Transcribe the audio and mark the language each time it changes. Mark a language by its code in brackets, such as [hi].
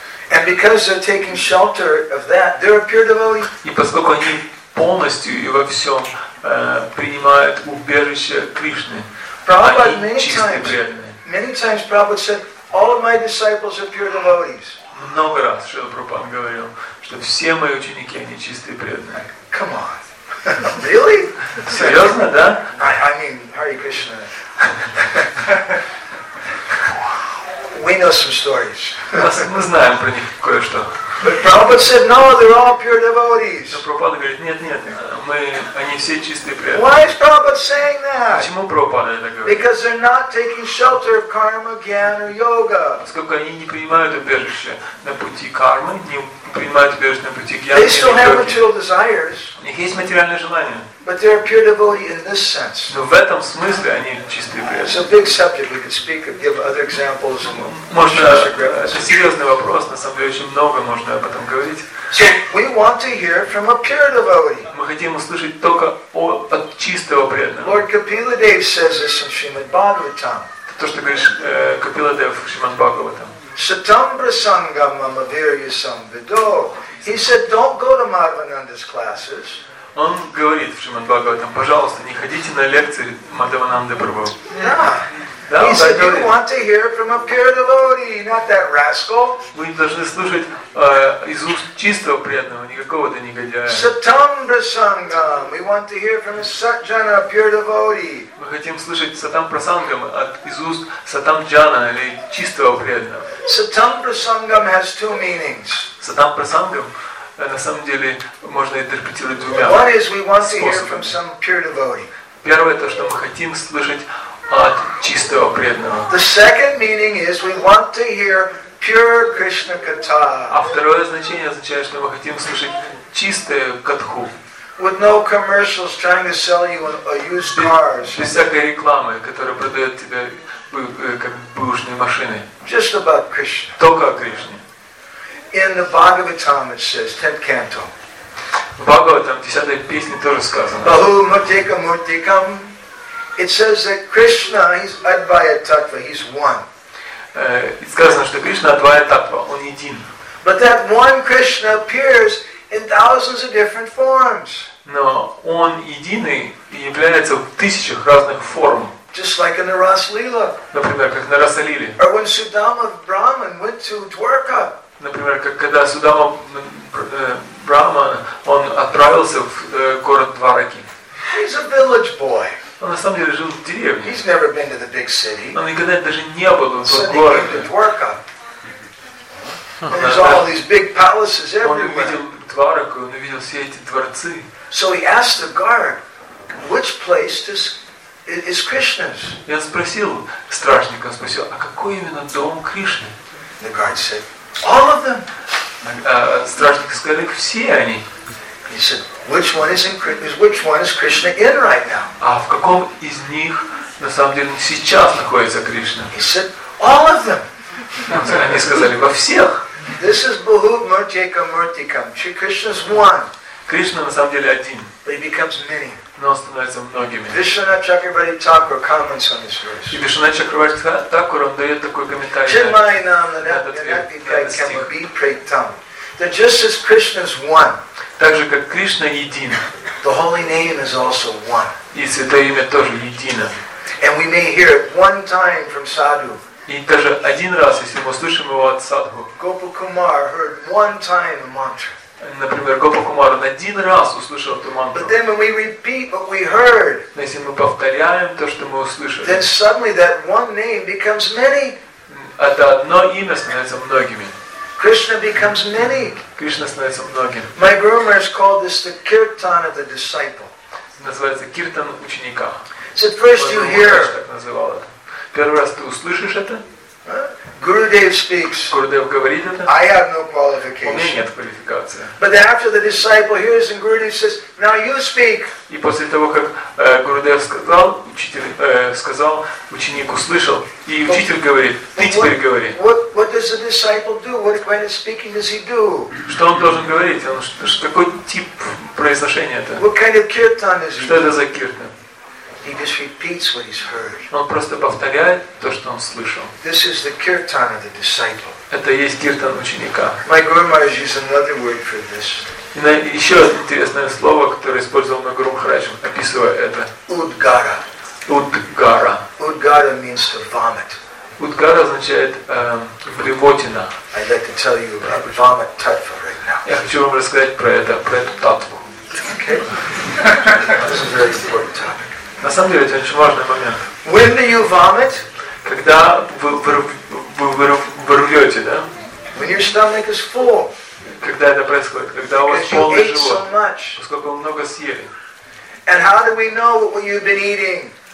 [en] And because they're taking shelter of that, they're a pure devotee. [ru] И поскольку они полностью и во всем принимают убежище Кришны. [en] Prabhupada many times Prabhupada said, all of my disciples are pure devotees. [ru] Много раз Шрила Прабхупад говорил, что все мои ученики, они чистые преданные. [en] Come on. Really? [ru] Серьезно, да? [en] I mean, Hare Krishna. We know some stories. [ru] Мы знаем про них кое-что. [en] Prabhupada said, no, they're all pure devotees. [ru] Но Прабхупада говорит, нет, они все чистые преданные. [en] Why is Prabhupada saying that? [ru] Почему Прабхупада это говорит? [en] Because they're not taking shelter of karma, jnana, yoga. [ru] Поскольку они не принимают убежище на пути кармы, не принимают убежище на пути [en] jnana. They still have material desires. [ru] У них есть материальное желание. [en] But they're a pure devotee in this sense. [ru] Но в этом смысле они чистые преданные. [en] It's a big subject. We could speak and give other examples. [ru] Можно, это серьезный вопрос, на самом деле очень много можно об этом говорить. [en] So we want to hear from a pure devotee. [ru] Мы хотим услышать только от чистого преданного. [en] Lord Kapila Dev says this in Shrimad Bhagavatam. [ru] То, что говоришь Kapila Dev в Shrimad Bhagavatam. [sa] Satam prasangam amavirisam vido. [en] He said, don't go to Madhavananda's classes. [ru] Он говорит в Шримад Бхагаватам, пожалуйста, не ходите на лекции Мадхавананды Прабху. Да, он так говорит. [en] You want to hear from a pure devotee, not that rascal. [ru] Вы должны слушать из уст чистого преданного, не какого-то негодяя. [sa] Satam prasangam. [en] We want to hear from a satjana, a pure devotee. [ru] Мы хотим слышать сатам прасангам от из уст сатам джана или чистого преданного. [en] Satam prasangam has two meanings. [ru] Сатам прасангам. На самом деле можно интерпретировать двумя способами. Первое то, что мы хотим слышать от чистого преданного. [en] The second meaning is we want to hear pure Krishna katha. [ru] А второе значение означает, что мы хотим слышать чистую катху. [en] With no commercials trying to sell you a used cars. [ru] Без всякой рекламы, которая продает тебе как бэушные машины. [en] Just about Krishna. [ru] Только о Кришне. [en] In the Bhagavatam it says, 10th canto. [ru] Bhagavatam, 10th песни тоже сказано. [sa] Bahu Mutika Murtikam. [en] It says that Krishna, he's Advaya Tattva, he's one. [ru] Сказано, что Кришна Advaya Tattva, он един. [en] But that one Krishna appears in thousands of different forms. [ru] Но он единый и является в тысячах разных форм. [en] Just like in the Rasalila. [ru] Например, как на Расалиле. [en] Or when Sudama Brahman went to Dwarka. [ru] Например, как когда Судама Брахма, он отправился в город Двараки. [en] He's a village boy. [ru] Он на самом деле жил в деревне. [en] He's never been to the big city. [ru] Он никогда даже не был в городе. [en] Dwarka. There's all these big palaces everywhere. [ru] Он увидел Двараку, он увидел все эти дворцы. [en] So he asked the guard, which place is Krishna's? [ru] И он спросил стражника, спросил, а какой именно дом Кришны? [en] The guard said. All of them. [ru] Стражник сказал, их все они. [en] He said, which one is Krishna in right now? [ru] А в каком из них на самом деле сейчас находится Кришна? [en] He said, all of them. [ru] Они сказали, во всех. [en] This is [sa] Bahu Murtika Murtikam. [en] Shri Krishna's one. [ru] Кришна на самом деле один. [en] But he becomes many. [ru] Но он становится многими. [en] Vishwanath Chakravarti Thakur comments on this verse. [ru] И Vishwanath Chakravarti Thakur он дает такой комментарий. [sa] Chinmayi nam nanati kai kamabhi pretam. [en] That just as Krishna is one. [ru] Так же как Кришна един. [en] The holy name is also one. [ru] И святое имя тоже едино. [en] And we may hear it one time from sadhu. [ru] И даже один раз, если мы услышим его от садху. [en] Gopakumar heard one time a mantra. [ru] Например, Гопакумар один раз услышал эту мантру. [en] But then when we repeat what we heard, [ru] но если мы повторяем то, что мы услышали, [en] then suddenly that one name becomes many. [ru] Это одно имя становится многими. [en] Krishna becomes many. [ru] Кришна становится многим. [en] My guru has called this the kirtan of the disciple. [ru] Называется киртан ученика. [en] So first you hear. [ru] Первый раз ты услышишь это. [en] Gurudev speaks. [ru] Gurudev говорит это. [en] I have no qualification. [ru] У меня нет квалификации. [en] But after the disciple hears and Gurudev says, now you speak. [ru] И после того как Gurudev сказал, учитель сказал, ученик услышал, и учитель говорит, ты теперь говори. [en] What does the disciple do? What kind of speaking does he do? [ru] Что он должен говорить? Он какой тип произношения это? [en] What kind of kirtan is it? [ru] Что это за киртан? [en] He just repeats what he's heard. [ru] Он просто повторяет то, что он слышал. [en] This is the kirtan of the disciple. [ru] Это есть киртан ученика. [en] My Guru Maharaj used another word for this. [ru] Еще одно интересное слово, которое использовал мой Гуру Махарадж, описывая это. Удгара. Удгара. [en] Удгара means to vomit. [ru] Удгара означает блевотина. [en] I'd like to tell you about vomit tattva right now. [ru] Я хочу вам рассказать про это, про эту татву. [en] Okay. This is a very important topic. [ru] На самом деле это очень важный момент. [en] When do you vomit? [ru] Когда вы рвете, да? [en] When your stomach is full. [ru] когда это происходит, когда у вас полный живот, поскольку вы много съели. [en] And how do we know what you've been eating?